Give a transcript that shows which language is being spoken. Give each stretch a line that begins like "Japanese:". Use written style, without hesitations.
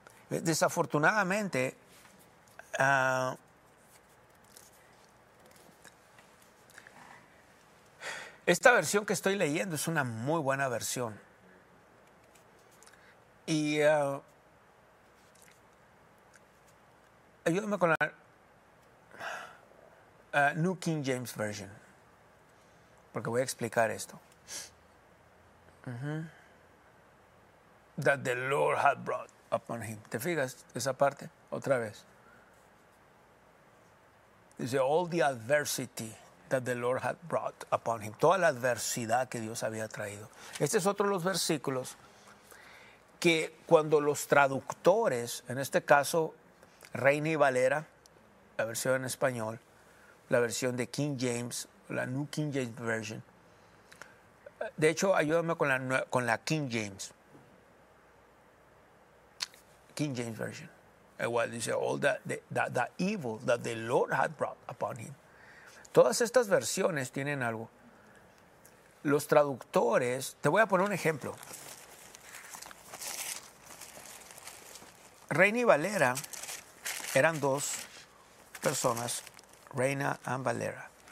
Spanish: Desafortunadamente, esta versión que estoy leyendo es una muy buena versión. Y ayúdame con la New King James Version, porque voy a explicar esto.
English: That the Lord had brought upon him.
Spanish: ¿Te fijas esa parte? Otra vez.
English: Dice, all the adversity that the Lord had brought upon him.
Spanish: Toda la adversidad que Dios había traído. Este es otro de los versículos que cuando los traductores, en este caso, Reina y Valera, la versión en español, la versión de King James, la New King James Version. De hecho, ayúdame con la King James. King James Version. Igual dice,
English: all the evil that the Lord had brought upon him.
Spanish: Todas estas versiones tienen algo. Los traductores, te voy a poner un ejemplo. Reina y Valera eran dos personas, Reina and Valera.